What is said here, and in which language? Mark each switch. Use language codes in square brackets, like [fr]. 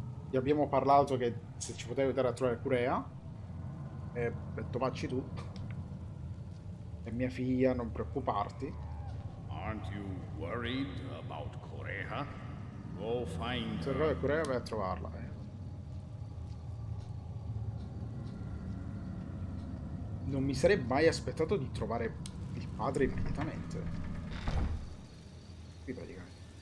[it] Gli abbiamo parlato che se ci poteva aiutare a trovare Corea. E detto facci tu. E mia figlia, non preoccuparti. [en] Aren't you worried about Corea? Go find. [it] Se trovi Corea, vai a trovarla. Non mi sarei mai aspettato di trovare il padre immediatamente. Qui praticamente.